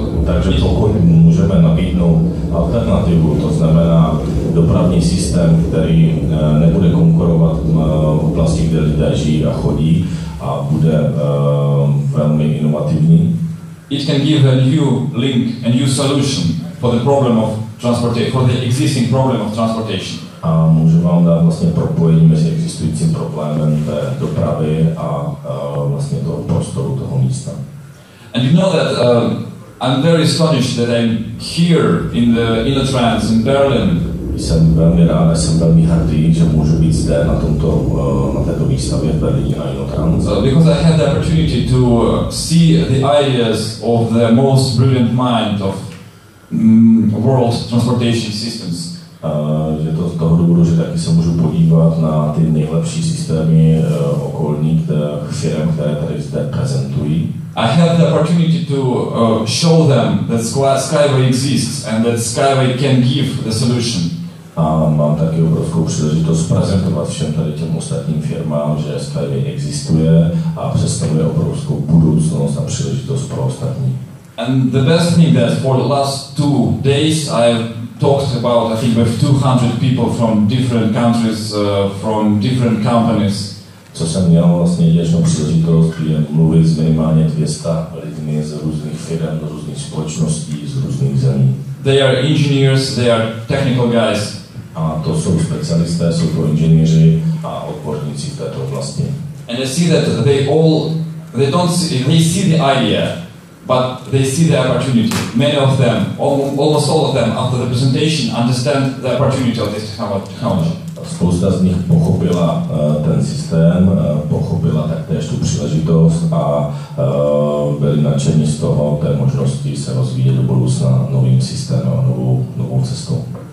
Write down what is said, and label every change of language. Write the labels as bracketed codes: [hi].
[cs] Takže pokud můžeme nabídnout alternativu, to znamená dopravní systém, který nebude konkurovat v oblasti, kde lidé žijí a chodí, a bude velmi inovativní. [en] It can give a new link, a new solution for the problem of transportation, for the existing problem of transportation. [cs] A může vám dát vlastně propojení mezi existujícím problémem té dopravy a vlastně toho prostoru, toho místa. [en] And you know that I'm very astonished that I'm here in the InnoTrans in Berlin. [cs] Jsem velmi rád, jsem velmi hrdý, že můžu být zde na tomto, na této výstavě v Berlíně na InnoTrans. [en] Because I had the opportunity to see the ideas of the most brilliant mind of world transportation systems. [cs] Je to z toho důvodu, že taky se můžu podívat na ty nejlepší systémy okolních firm, které tady zde prezentují. [en] I had the opportunity to show them that Skyway exists and that Skyway can give the solution. [cs] Mám taky obrovskou příležitost prezentovat všem tady těm ostatním firmám, že Skyway existuje a představuje obrovskou budoucnost a příležitost pro ostatní. [en] And the best thing that for the last 2 days I've talked about, I think, with 200 people from different countries, from different companies. [cs] Co jsem měl vlastně jedinou příležitost, je mluvit s minimálně 200 lidmi z různých firm, z různých společností, z různých zemí. [en] They are engineers, they are technical guys. [cs] A to jsou specialisté, jsou to inženýři a odborníci v této oblasti. [en] And I see that they see the idea, but they see the opportunity. Many of them, almost all of them, after the presentation, understand the opportunity of this technology. [cs] Spousta z nich pochopila ten systém, pochopila taktéž tu příležitost a byli nadšení z toho té možnosti se rozvíjet do budoucna novým systémem, novou cestou.